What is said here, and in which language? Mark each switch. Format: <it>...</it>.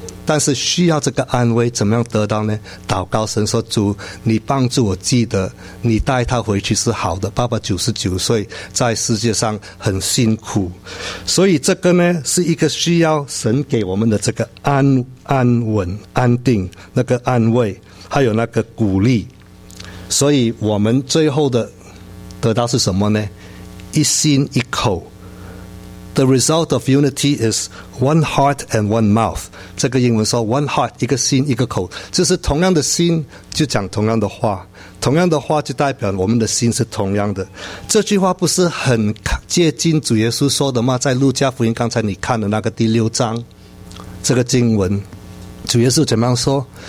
<zh>但是需要这个安慰，怎么样得到呢？祷告神说，主你帮助我记得你带他回去是好的。爸爸99岁，在世界上很辛苦，所以这个呢是一个需要神给我们的这个安稳安定，那个安慰还有那个鼓励。所以我们最后的得到是什么呢？一心一口。</zh> <en>The result of unity is one heart and one mouth.</en> <zh>这个英文说</zh> <en>one heart，</en> <zh>一个心一个口，就是同样的心就讲同样的话，同样的话就代表我们的心是同样的。这句话不是很接近主耶稣说的吗？在路加福音刚才你看的那个第六章，这个经文主耶稣怎么样说？</zh>